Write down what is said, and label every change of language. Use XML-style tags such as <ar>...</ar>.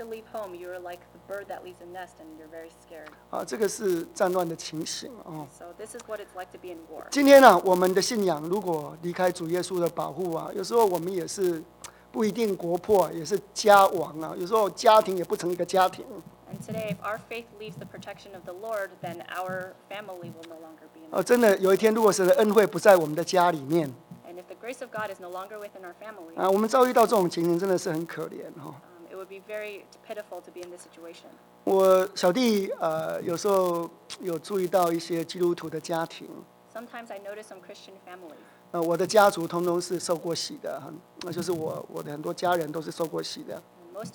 <en>so if you have to leave home, you are like the bird that leaves a nest, and you're very scared.</en> <zh>啊，这个是战乱的情形哦。So</zh> <en>this is what it's like to be in war.</en> <zh>今天呢、啊，我们的信仰如果离开主耶稣的保护啊，有时候我们也是。不一定国破，也是家亡啊。有时候家庭也不成一个家庭。And</zh> <en>today, if our faith leaves the protection of the Lord, then our family will no longer be.</en> <zh>哦，真的，有一天如果神的恩惠不在我们的家里面。And</zh> <en>if the grace of God is no longer within our family.</en> <zh>啊，我们遭遇到这种情形，真的是很可怜哈。It</zh> <en>would be very pitiful to be in this situation.</en> <zh>我小弟有时候有注意到一些基督徒的家庭。</zh> <en>Sometimes I notice some Christian families.</en> <zh>我的家族通通是受过洗的，那就是我的很多家人都是受过洗的。Most</zh>